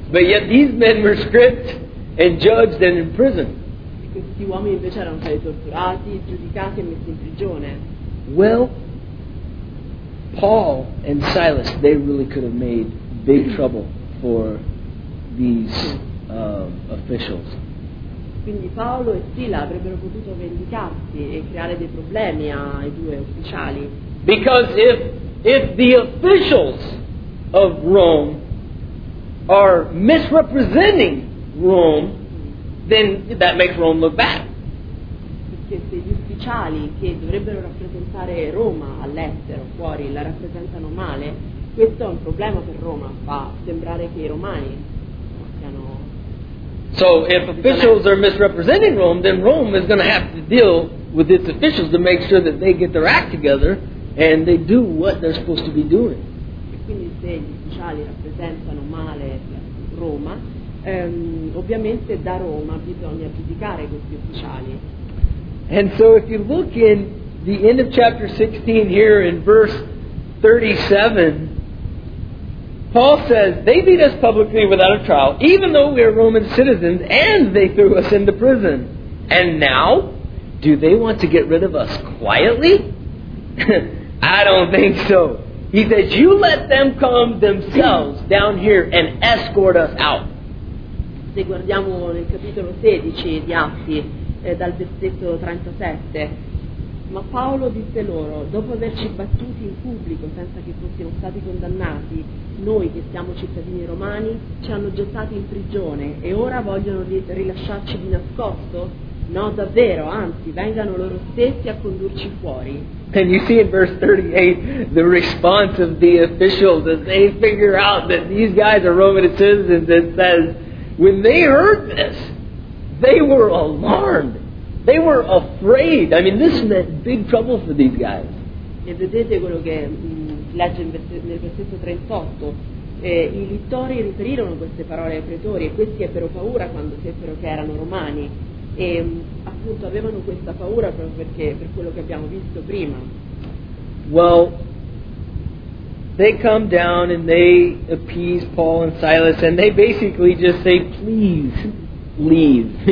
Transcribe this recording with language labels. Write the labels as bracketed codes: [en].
[en] But yet these men were stripped and judged and imprisoned. [it] E questi uomini invece erano stati torturati, giudicati e messi in prigione. [en] Well, Paul and Silas, they really could have made big trouble for these officials. [it] Quindi Paolo e Sila avrebbero potuto vendicarsi e creare dei problemi ai due ufficiali. [en] Because if the officials of Rome are misrepresenting Rome, then that makes Rome look bad. [it] Perché se gli ufficiali che dovrebbero rappresentare Roma all'estero, fuori, la rappresentano male, questo è un problema per Roma, fa sembrare che i romani. [en] So if officials are misrepresenting Rome, then Rome is going to have to deal with its officials to make sure that they get their act together and they do what they're supposed to be doing. [it] E quindi se gli ufficiali rappresentano male Roma, ovviamente da Roma bisogna giudicare questi ufficiali. [en] And so if you look in the end of chapter 16 here in verse 37, Paul says, they beat us publicly without a trial, even though we are Roman citizens, and they threw us into prison. And now, do they want to get rid of us quietly? I don't think so. He says, you let them come themselves down here and escort us out. [it] Se guardiamo nel capitolo 16 di Atti, dal versetto 37, ma Paolo disse loro, dopo averci battuti in pubblico senza che fossimo stati condannati, noi che siamo cittadini romani ci hanno gettati in prigione e ora vogliono rilasciarci di nascosto? No, davvero, anzi, vengano loro stessi a condurci fuori. [en] And you see in verse 38 the response of the officials as they figure out that these guys are Roman citizens. It says, when they heard this, they were alarmed. They were afraid. I mean, this meant big trouble for these guys. [it] E vedete quello che legge nel versetto 38. I littori riferirono queste parole ai pretori e questi ebbero paura quando seppero che erano romani. E appunto avevano questa paura proprio perché per quello che abbiamo visto prima. [en] Well, they come down and they appease Paul and Silas and they basically just say, please leave.